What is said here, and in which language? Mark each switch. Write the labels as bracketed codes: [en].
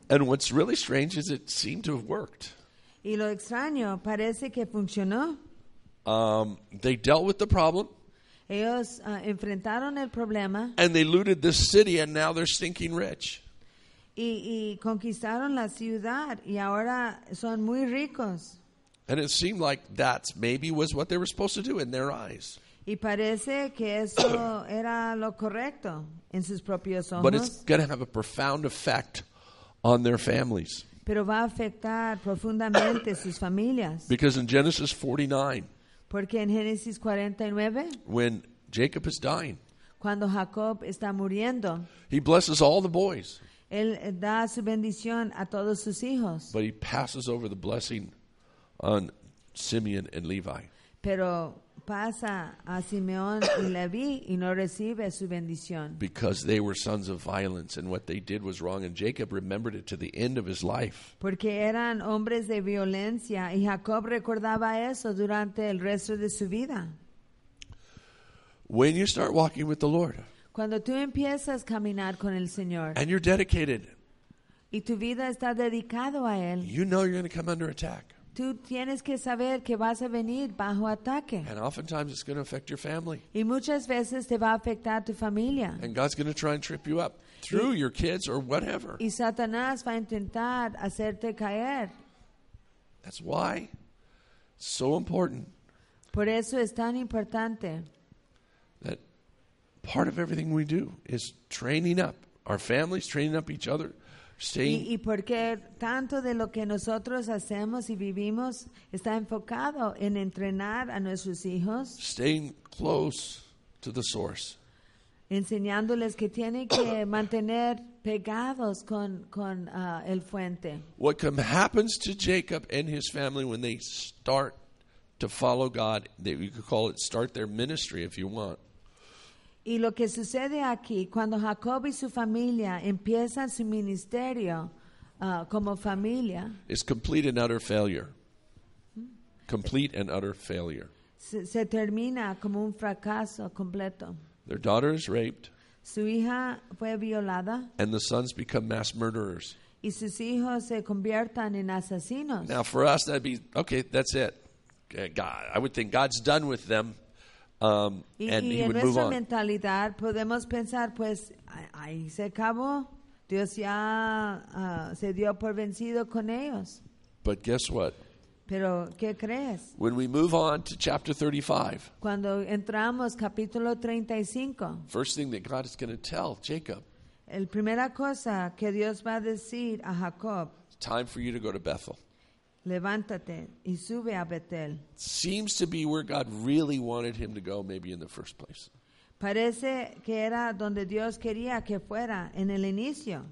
[en] And what's really strange is it seemed to have worked. [es] Y lo extraño, parece que funcionó. [en] They dealt with the problem. [es] Ellos enfrentaron el problema. [en] And they looted the city and now they're stinking rich. [es] Y conquistaron la ciudad y ahora son muy ricos. [en] And it seemed like that maybe was what they were supposed to do in their eyes. [es] Y parece que eso era lo correcto en sus propios ojos. [en] But it's going to have a profound effect on their families. [es] Pero va a afectar profundamente sus familias. [en] Because in Genesis 49, [es] porque en Génesis 49, [en] when Jacob is dying, [es] cuando Jacob está muriendo, [en] he blesses all the boys. [es] Él da su bendición a todos sus hijos. [en] But he passes over the blessing on Simeon and Levi. [es] Pero pasa a Simeón y Leví y no recibe su bendición. [en] Because they were sons of violence and what they did was wrong, and Jacob remembered it to the end of his life. [es] Porque eran hombres de violencia y Jacob recordaba eso durante el resto de su vida. [en] When you start walking with the Lord, [es] cuando tú empiezas a caminar con el Señor, [en] and you're dedicated, [es] y tu vida está dedicado a Él, [en] you know you're going to come under attack. [es] Tú tienes que saber que vas a venir bajo ataque. [en] And oftentimes it's going to affect your family. [es] Y muchas veces te va a afectar tu familia. [en] And God's going to try and trip you up through your kids or whatever. [es] Y Satanás va a intentar hacerte caer. [en] That's why it's so important. [es] Por eso es tan importante. [en] That part of everything we do is training up our families, training up each other. [es] Y porque tanto de lo que nosotros hacemos y vivimos está enfocado en entrenar a nuestros hijos. [en] Staying close to the source. [es] Enseñándoles que tienen que mantener pegados con el fuente. [en] What happens to Jacob and his family when they start to follow God? You could call it start their ministry if you want. [es] Y lo que sucede aquí, cuando Jacob y su familia empiezan su ministerio como familia, [en] is complete and utter failure. Complete and utter failure. [es] Se termina como un fracaso completo. [en] Their daughter is raped. [es] Su hija fue violada. [en] And the sons become mass murderers. [es] Y sus hijos se conviertan en asesinos. [en] Now for us, that'd be, okay, that's it. God, I would think God's done with them. [es] Y en nuestra mentalidad podemos pensar, pues ahí se acabó, Dios ya se dio por vencido con ellos. [en] But guess what? [es] Pero ¿qué crees? [en] When we move on to chapter 35, [es] cuando entramos capítulo 35, [en] first thing that God is going to tell Jacob, [es] el primera cosa que Dios va a decir a Jacob, [en] time for you to go to Bethel. [es] Levántate y sube a Betel. [en] Seems to be where God really wanted him to go, maybe in the first place. [es] Parece que era donde Dios quería que fuera en el inicio.